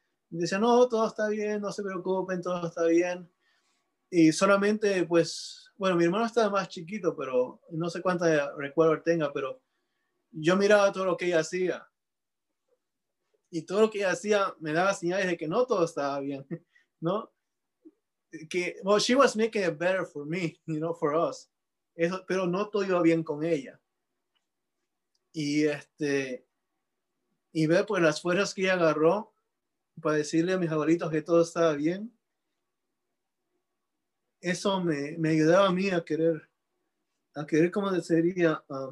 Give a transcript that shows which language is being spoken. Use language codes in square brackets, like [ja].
[es] Me decían, no, todo está bien, no se preocupen, todo está bien. Y solamente, pues, bueno, mi hermano estaba más chiquito, pero no sé cuánta recuerdo tenga, pero yo miraba todo lo que ella hacía. Y todo lo que ella hacía me daba señales de que no todo estaba bien, ¿no? [en] Que, well, she was making it better for me, you know, for us. [es] Eso, pero no todo iba bien con ella. Y ver, pues, las fuerzas que ella agarró para decirle a mis abuelitos que todo estaba bien, eso me ayudaba a mí a querer, como sería,